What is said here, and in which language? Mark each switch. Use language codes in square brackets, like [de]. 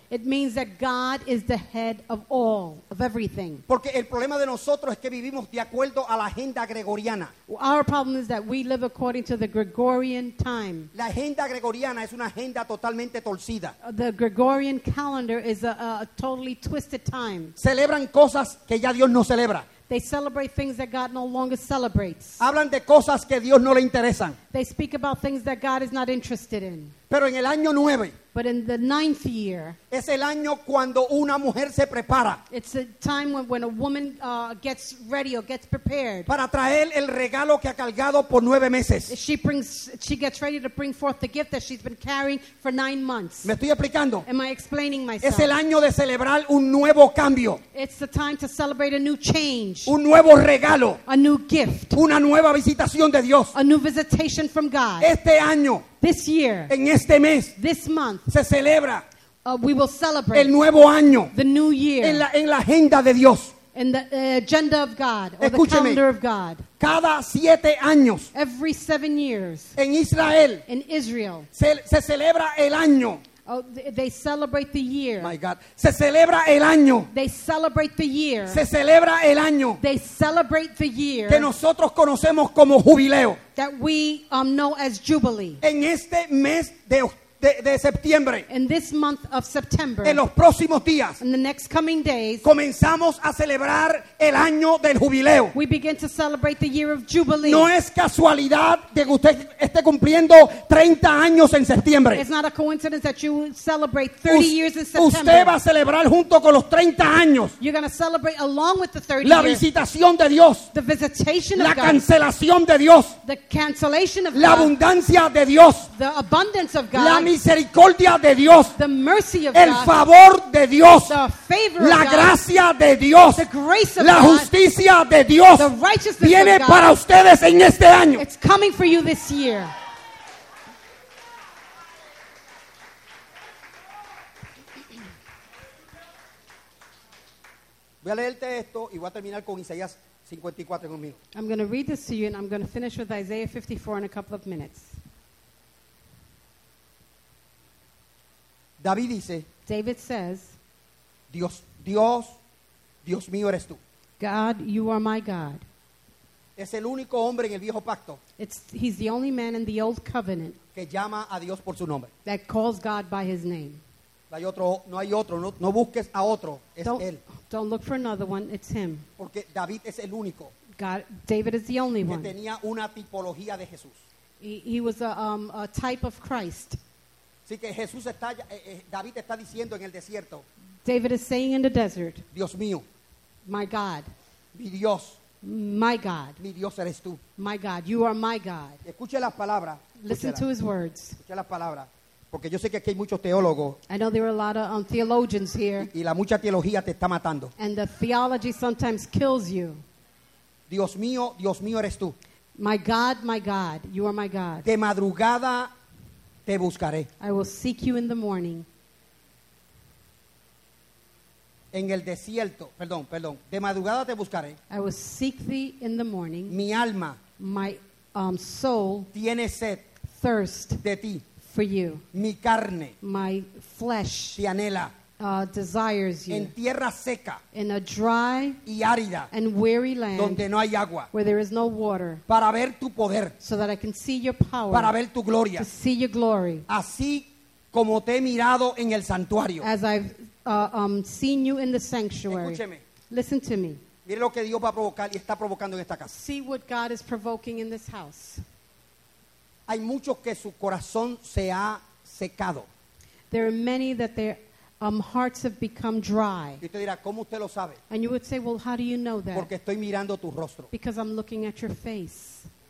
[en] It means that God is the head of all, of everything. [es] Porque el problema de nosotros es que vivimos de acuerdo a la agenda gregoriana. [en] Our problem is that we live according to the Gregorian time. [es] La agenda gregoriana es una agenda totalmente torcida. [en] The Gregorian calendar is a totally twisted time. [es] Celebran cosas que ya Dios no celebra. [en] They celebrate things that God no longer celebrates. [es] Hablan de cosas que Dios no le interesan. [en] They speak about things that God is not interested in. [es] Pero en el año 9, [en] but in the ninth year, [es] es el año cuando una mujer se prepara. [en] It's a time when a woman gets ready or gets prepared. [es] Para traer el regalo que ha cargado por 9 meses. [en] She gets ready to bring forth the gift that she's been carrying for 9 months. [es] ¿Me estoy explicando? [en] Am I explaining myself? [es] Es el año de celebrar un nuevo cambio. [en] It's the time to celebrate a new change. [es] Un nuevo regalo. [en] A new gift. [es] Una nueva visitación de Dios. [en] A new visitation from God. [es] Este año. [en] This year, [es] en este mes, [en] this month, [es] se celebra, [en] we will celebrate [es] el nuevo año, [en] the new year, [es] en la agenda de Dios, [en] in the agenda of God, or [es] escúcheme, [en] the calendar of God. [es] Cada 7 años, [en] every 7 years, [es] en Israel, [en] in Israel, [es] se celebra el año. [en] They celebrate the year. My God. [es] Se celebra el año. [en] They celebrate the year. [es] Se celebra el año. [en] They celebrate the year. [es] Que nosotros conocemos como jubileo. [en] That we know as jubilee. [es] En este mes de septiembre. [en] In this month of September. [es] En los próximos días. [en] In the next coming days. [es] Comenzamos a celebrar el año del jubileo. [en] We begin to celebrate the year of jubilee. [es] No es casualidad de que usted esté cumpliendo 30 años en septiembre. [en] It's not a coincidence that you celebrate 30 years in September. [es] Usted va a celebrar junto con los 30 años. [en] You're going to celebrate along with the 30 years. [es] La visitación de Dios. [en] The visitation of God. [es] La cancelación de Dios. [en] The cancellation of God. [es] La abundancia de Dios. [en] The abundance of God. [es] La misericordia de Dios. [en] The mercy of God. [es] El favor de Dios. [en] The favor of [es] God. La gracia de Dios. [en] The grace of [es] God. La justicia de Dios. [en] The righteousness of God. [es] Viene para ustedes en este año. [en] It's coming for you this year. [es] Voy a leerte esto y voy a terminar con Isaías 54 en un minuto. [en] I'm going to read this to you and I'm going to finish with Isaiah 54 in a couple of minutes. [es] David dice, [en] David says, [es] Dios mío eres tú. [en] God, you are my God. [es] Es el único hombre en el viejo pacto. [en] He's the only man in the old covenant. [es] Que llama a Dios por su nombre. [en] That calls God by his name. [es] No busques a otro, es él. [en] Don't look for another one, it's him. [es] Porque David es el único. [en] David is the only one. [es] Que tenía una tipología de Jesús. [en] He was a type of Christ. [es] Así que Jesús está, David está diciendo en el desierto. [en] David is saying in the desert. [es] Dios mío. [en] My God. [es] Mi Dios. [en] My God. [es] Mi Dios eres tú. [en] My God, you are my God. [es] Escuche las palabras. [en] Listen to his words. [es] Escuche las palabras. Porque yo sé que aquí hay muchos teólogos. [en] I know there are a lot of theologians here. [es] Y la mucha teología te está matando. [en] And the theology sometimes kills you. [es] Dios mío eres tú. [en] My God, you are my God. [es] De madrugada te buscaré. [en] I will seek you in the morning. [es] En el desierto, perdón. De madrugada te buscaré. [en] I will seek thee in the morning. [es] Mi alma, [en] my soul, [es] tiene sed, [en] thirst, [es] de ti. [en] For you. [es] Mi carne, [en] my flesh, [es] te anhela. [en] Desires you. [es] En tierra seca, [en] in a dry [es] y árida, [en] and weary land, [es] donde no hay agua, [en] where there is no water, [es] para ver tu poder, [en] so that I can see your power, [es] para ver tu gloria, [en] to see your glory, [es] así como te he mirado en el santuario, [en] as I've seen you in the sanctuary. [es] Escúcheme. [en] Listen to me. [es] Mire lo que Dios va a provocar y está provocando en esta casa. [en] See what God is provoking in this house. [es] Hay muchos que su corazón se ha secado. [en] There are many that their hearts have become dry. [es] Y usted dirá, ¿cómo usted lo sabe? [en] And you would say, well, how do you know that? [es] Porque estoy mirando tu rostro. [en] Because I'm looking at your face.